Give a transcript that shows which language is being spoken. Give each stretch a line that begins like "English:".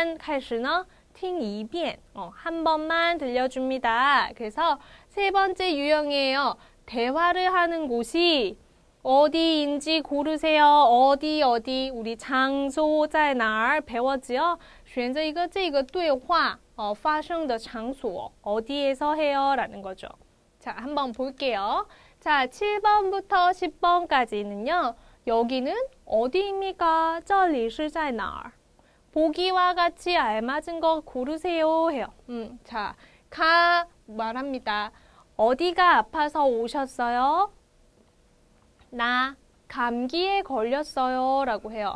Chinese: 那第七开始,类型第三开始呢,听一遍,
Korean: 한 번만 들려줍니다. 그래서 세 번째 유형이에요. 대화를 하는 곳이 어디인지 고르세요. 어디, 어디, 우리 장소在哪儿, 배웠지요?
Chinese: 选择一个这个对话,发生的场所,
Korean: 어디에서 해요? 라는 거죠. 자, 한번 볼게요. 자, 7번부터 10번까지는요, 여기는 어디입니까?
Chinese: 这里是在哪儿?
Korean: 보기와 같이 알맞은 거 고르세요. 해요. 자, 가 말합니다. 어디가 아파서 오셨어요? 나 감기에 걸렸어요. 라고 해요.